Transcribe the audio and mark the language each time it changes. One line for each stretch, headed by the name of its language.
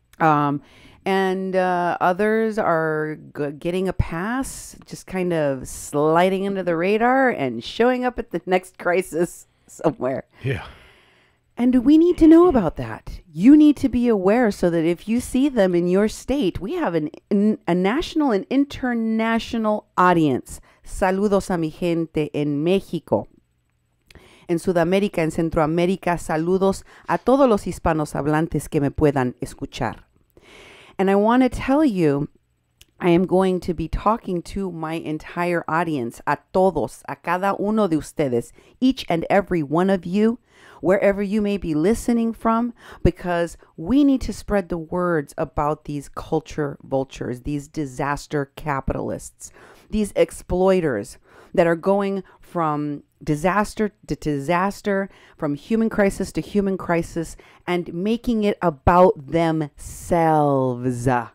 English: Others are getting a pass, just kind of sliding under the radar and showing up at the next crisis somewhere. Yeah. And we need to know about that. You need to be aware so that if you see them in your state, we have a national and international audience.
Spanish: Saludos a mi gente en México, en Sudamérica, en Centroamérica. Saludos a todos los hispanos hablantes que me puedan escuchar.
English: And I want to tell you, I am going to be talking to my entire audience,
Spanish: a todos, a cada uno de ustedes,
English: each and every one of you, wherever you may be listening from, because we need to spread the words about these culture vultures, these disaster capitalists, these exploiters that are going from disaster to disaster, from human crisis to human crisis, and making it about themselves.